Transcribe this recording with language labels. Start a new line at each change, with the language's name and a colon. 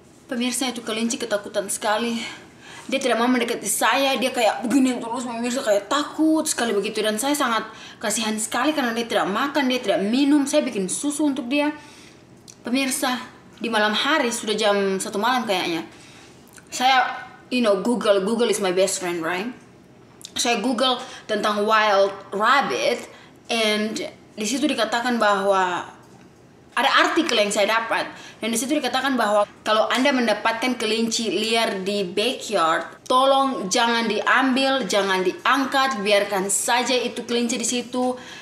Indonesian: Pemirsa, itu kelinci ketakutan sekali. Dia tidak mau mendekati saya. Dia kayak begini terus pemirsa, kayak takut sekali begitu. Dan saya sangat kasihan sekali karena dia tidak makan, dia tidak minum. Saya bikin susu untuk dia pemirsa. Di malam hari, sudah jam 1 malam kayaknya, saya,
English: you know, Google is my best friend, right?
Indonesian: Saya Google tentang
English: wild rabbit, and
Indonesian: di situ dikatakan bahwa ada artikel yang saya dapat, dan di situ dikatakan bahwa kalau Anda mendapatkan kelinci liar di backyard, tolong jangan diambil, jangan diangkat, biarkan saja itu kelinci di situ.